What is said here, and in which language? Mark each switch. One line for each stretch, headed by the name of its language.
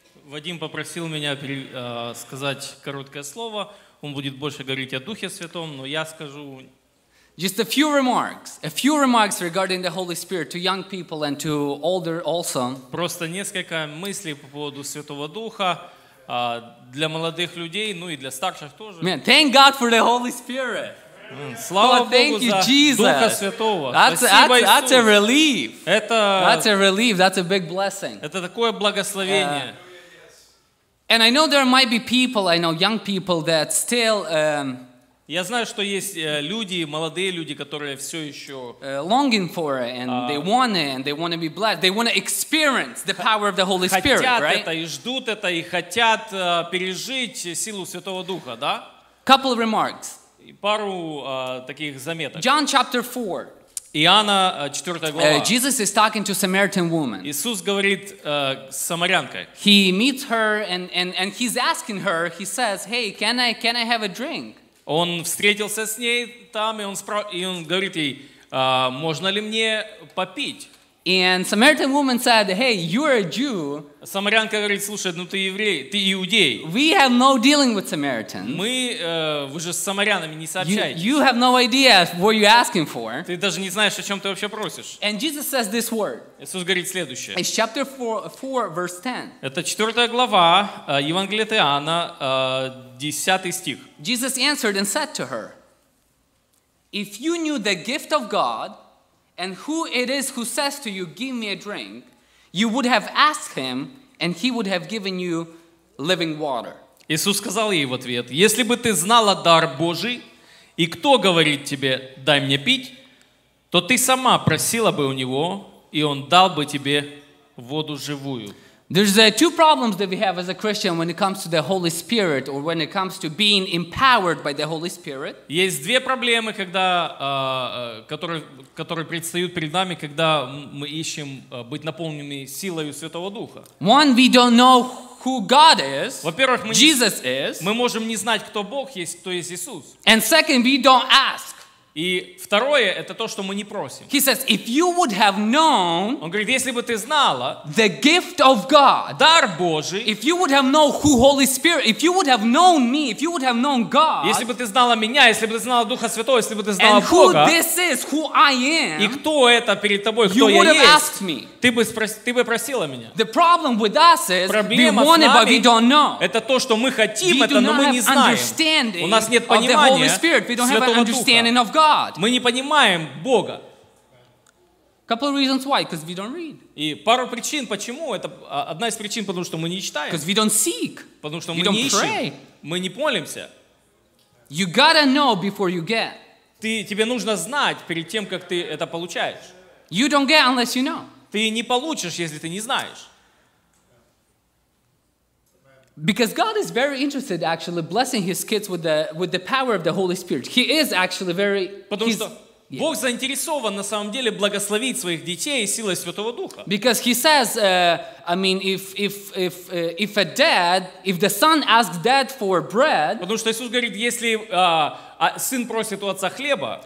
Russian: Вадим попросил меня сказать короткое слово. Он будет больше говорить о Духе Святом, но я скажу...
English: Just a few remarks regarding the Holy Spirit to young people and to older also.
Russian: Просто несколько мыслей по поводу Святого Духа для молодых людей, ну и для старших тоже.
English: Man, thank God for the Holy Spirit.
Russian: Слава Богу за Духа Святого.
English: That's a relief.
Russian: Это
English: That's a big blessing.
Russian: Это такое благословение.
English: And I know there might be people, I know young people that still
Russian: Я знаю, что есть люди, молодые люди, которые все еще
English: longing for it, and they want it, and they want to be blessed. They want to experience the power of the Holy Spirit,
Russian: хотят
English: right?
Russian: Хотят это и ждут это и хотят пережить силу Святого Духа, да?
English: Couple of remarks.
Russian: Пару таких заметок.
English: John chapter 4.
Russian: Иоанна 4 глава.
English: Jesus is talking to Samaritan woman.
Russian: Иисус говорит с самарянкой.
English: He meets her and he's asking her. He says, "Hey, can I have a drink?"
Russian: Он встретился с ней там, и он говорит ей, можно ли мне попить?
English: And Samaritan woman said, hey, you're a Jew.
Russian: Самарянка говорит, слушай, ну ты еврей, ты иудей.
English: We have no dealing with Samaritans.
Russian: Мы, вы же с самарянами не сообщаетесь.
English: You have no idea what you're asking for.
Russian: Ты даже не знаешь, о чем ты вообще просишь.
English: And Jesus says this word.
Russian: Иисус говорит следующее.
English: It's chapter 4, verse 10.
Russian: Это 4 глава Евангелия от Иоанна, 10 стих.
English: Jesus answered and said to her, if you knew the gift of God, and who it is who says to you, give me a drink, you would have asked him, and he would have given you living water.
Russian: Иисус сказал ей в ответ, если бы ты знала дар Божий, и кто говорит тебе, дай мне пить, то ты сама просила бы у него, и он дал бы тебе воду живую.
English: There's two problems that we have as a Christian when it comes to the Holy Spirit or when it comes to being empowered by the Holy Spirit.
Russian: Есть две проблемы, когда которые предстают перед нами, когда мы ищем быть наполненными силой Святого Духа.
English: One, we don't know who God is.
Russian: Во-первых,
English: Jesus is.
Russian: Мы можем не знать, кто Бог есть, кто есть Иисус.
English: And second, we don't ask.
Russian: И второе, это то, что мы не просим.
English: He says, if you would have known,
Russian: он говорит, если бы ты знала
English: the gift of God,
Russian: дар Божий,
English: if you would have known who Holy Spirit, if you would have known me, if you would have known God,
Russian: если бы ты знала меня, если бы ты знала Духа Святого, если бы ты знала
English: and
Russian: Бога,
English: who this is, who I am,
Russian: и кто это перед тобой, кто
English: you would
Russian: я
English: have
Russian: есть,
English: asked me.
Russian: Ты бы просила меня.
English: The problem with us is,
Russian: проблема
English: we want
Russian: с нами,
English: it, but we don't know.
Russian: Это то, что мы хотим,
English: we
Russian: это, но мы не знаем. У нас нет понимания Святого Духа. Мы не понимаем Бога.
English: Couple of reasons why, because we don't read.
Russian: И пару причин, почему это одна из причин, потому что мы не читаем.
English: Because we don't seek.
Russian: Потому что
English: we
Russian: мы
English: don't
Russian: не
English: pray.
Russian: Ищем. Мы не молимся.
English: You gotta know before you get.
Russian: Тебе нужно знать перед тем, как ты это получаешь.
English: You don't get unless you know.
Russian: Ты не получишь, если ты не знаешь.
English: Because God is very interested actually blessing his kids with the power of the Holy Spirit. He is actually very
Russian: Потому что Бог заинтересован на самом деле благословить своих детей силой Святого Духа.
English: Because he says if a dad, if the son asks dad for bread,
Russian: Потому что Иисус говорит, если сын просит у отца хлеба,